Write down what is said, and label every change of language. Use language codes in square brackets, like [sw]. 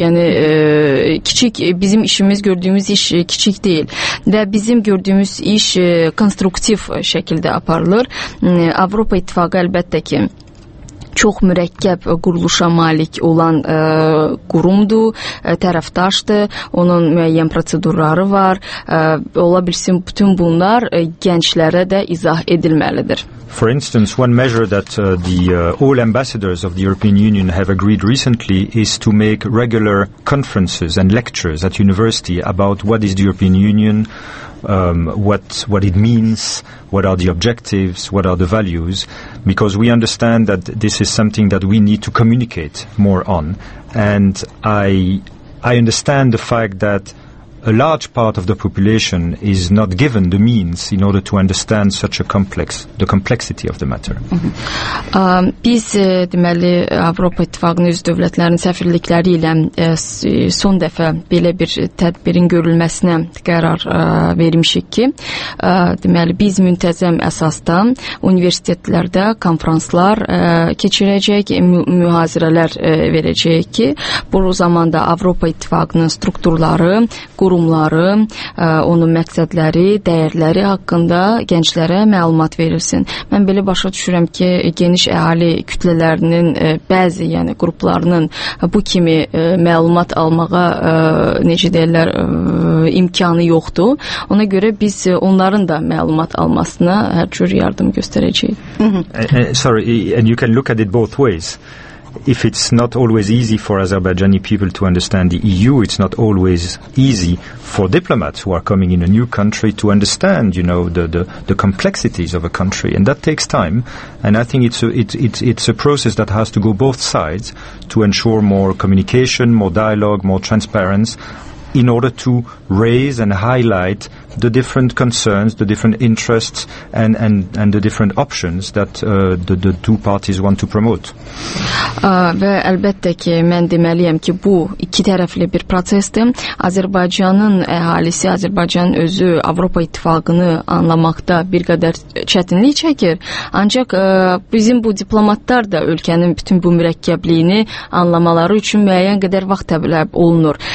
[az] Yəni, kiçik bizim işimiz, gördüyümüz iş kiçik deyil və bizim gördüyümüz iş konstruktiv şəkildə aparılır. Avropa İttifaqı əlbəttə ki, çox mürəkkəb quruluşa malik olan qurumdur, tərəfdaşdır, onun müəyyən prosedurları var. Ola bilsin, bütün bunlar gənclərə də izah edilməlidir. [en] For instance, one measure that all ambassadors of the European Union have agreed recently is to make regular conferences and lectures at university about what is the European Union, what it means, what are the objectives, what are the values, because we understand that this is something that we need to communicate more on. And I understand the fact that a large part of the population is not given the means in order to understand such a complex, the complexity of the matter. [az] Biz deməli Avropa İttifaqının üzv dövlətlərinin səfirlikləri ilə son dəfə belə bir tədbirin görülməsinə qərar vermişik ki, deməli biz müntəzəm əsasda universitetlərdə konfranslar keçirəcək, mühazirələr verəcək ki, bu zamanda Avropa İttifaqının strukturları, qurumları, onun məqsədləri, dəyərləri haqqında gənclərə məlumat verilsin. Mən belə başa düşürəm ki, geniş əhali kütlələrinin bəzi, yəni qruplarının bu kimi məlumat almağa necə deyirlər, imkanı yoxdur. Ona görə biz onların da məlumat almasına hər cür yardım göstərəcəyik. [en] Sorry, and you can look at it both ways. If it's not always easy for Azerbaijani people to understand the EU, it's not always easy for diplomats who are coming in a new country to understand, you know, the complexities of a country. And that takes time. And I think it's a process that has to go both sides to ensure more communication, more dialogue, more transparency, in order to raise and highlight the different concerns, the different interests, and the different options that the two parties want to promote. [az] Və əlbəttə ki, mən deməliyəm ki, bu iki tərəfli bir prosesdir. Azərbaycanın əhalisi, Azərbaycanın özü Avropa İttifaqını anlamaqda bir qədər çətinlik çəkir. Ancaq bizim bu diplomatlar da ölkənin bütün bu mürəkkəbliyini anlamaları üçün müəyyən qədər vaxt tələb olunur.